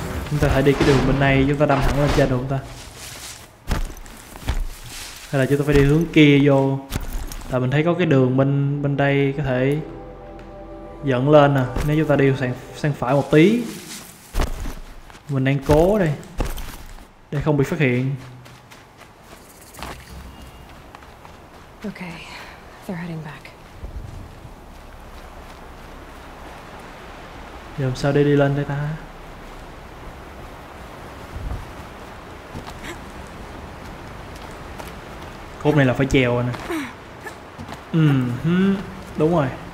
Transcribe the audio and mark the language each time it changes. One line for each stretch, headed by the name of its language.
Vietnamese: Chúng ta thể đi cái đường bên này, chúng ta đâm thẳng lên trên được không ta? Hay là chúng ta phải đi hướng kia vô? Tại mình thấy có cái đường bên đây có thể dẫn lên nè. Nếu chúng ta đi sang phải một tí, mình đang cố đây để không bị phát hiện.
English: Okay, they're heading back.
Vietnamese: Giờ làm sao để đi lên đây ta? Khúc này là phải trèo rồi nè. Đúng rồi.